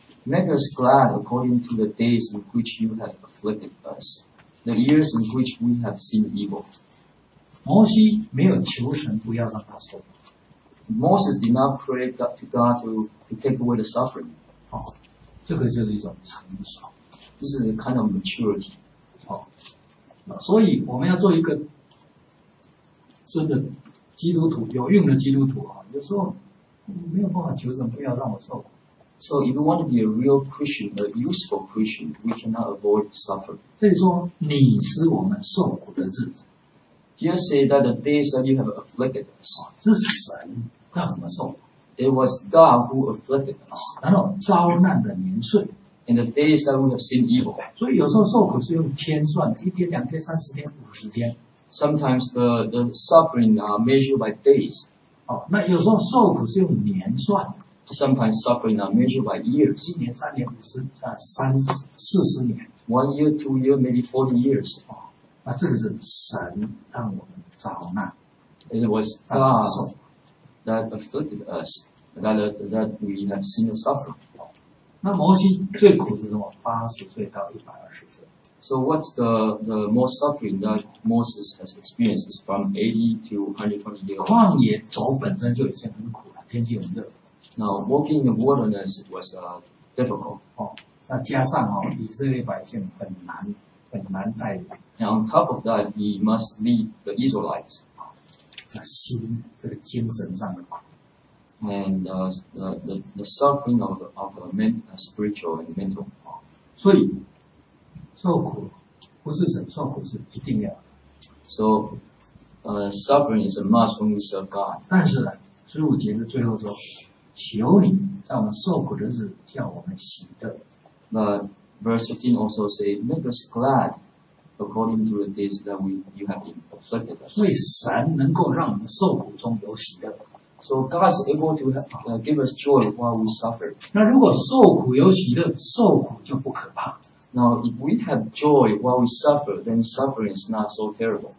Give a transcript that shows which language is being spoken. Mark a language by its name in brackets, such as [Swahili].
[English] Make us glad according to the days in which you have afflicted us, the years in which we have seen evil. [Chinese] 摩西没有求神不要让他受苦。 [English] Moses did not pray to God to take away the suffering. [Chinese] 这个就是一种成熟。 [English] This is a kind of maturity. [Chinese] 所以我们要做一个真的基督徒，有用的基督徒，有时候没有办法求神不要让我受苦。 [English] So if you want to be a real Christian, a useful Christian, we cannot avoid suffering. [Chinese] 这里说你是我们受苦的日子。 [English] Here say that the days that you have afflicted us. [Chinese] 这是神让我们受苦。 [English] It was God who afflicted us. [Chinese] 然后遭难的年岁。 [English] In the days that we have seen evil. [Chinese] 所以有时候受苦是用天算的，一天、两天、三十天、五十天。 [English] Sometimes the suffering are measured by days. [Chinese] 那有时候受苦是用年算的。 [English] Sometimes suffering are measured by years. [Chinese] 一年、三年、五十、三四十年。 [English] One year, two year, maybe 40 years. [Chinese] 那这个是神让我们遭难。 [English] It was God that afflicted us, that we have seen the suffering. [Chinese] 那摩西最苦是什么？80岁到120岁。 [English] So what's the most suffering that Moses has experienced is from 80 to 120 years. [Chinese] 旷野走本身就已经很苦了，天气很热。 [English] Now, walking in the wilderness was difficult. [Chinese] 那加上以色列百姓很难带领。 [English] And on top of that, he must lead the Israelites. [Chinese] 那心这个精神上的苦。 [English] And the suffering of a mental, spiritual and mental. [Chinese] 所以受苦不是神受苦是一定要。 [English] So, suffering is a must when we serve God. [Chinese] 但是呢，十五节的最后说。求你在我们受苦的日子叫我们喜乐。 [English] But verse 15 also say, make us glad according to the days that you have been afflicted us. [Chinese] 所以神能够让我们受苦中有喜乐。 [English] So God is able to give us joy while we suffer. [Chinese] 那如果受苦有喜乐，受苦就不可怕。 [English] Now if we have joy while we suffer, then suffering is not so terrible.